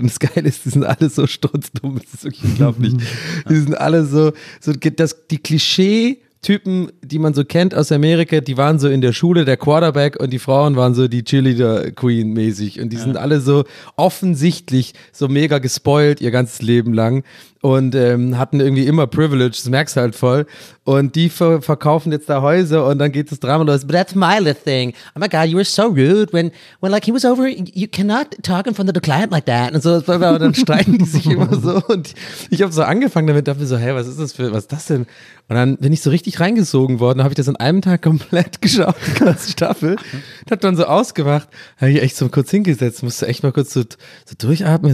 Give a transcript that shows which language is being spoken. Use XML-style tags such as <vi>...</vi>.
<de>Und das Geile ist, die sind alle so sturzdumm, das ist wirklich unglaublich. Die sind alle so das, die Klischee Typen, die man so kennt aus Amerika, die waren so in der Schule der Quarterback und die Frauen waren so die Cheerleader-Queen mäßig und die sind alle so offensichtlich so mega gespoilt ihr ganzes Leben lang und hatten irgendwie immer Privilege, das merkst du halt voll und die verkaufen jetzt da Häuser und dann geht das Drama los.</de> <en>But that's my little thing. Oh my God, you were so rude when like he was over, you cannot talk in front of the client like that.</en> <de>Und so, und dann streiten die sich immer so und ich habe so angefangen damit, dachte mir so, hey, was ist das denn? Und dann bin ich so richtig reingesogen worden, habe ich das an einem Tag komplett geschaut, die ganze Staffel. Und hab dann so ausgemacht, habe ich echt so kurz hingesetzt, musste echt mal kurz so durchatmen.</de>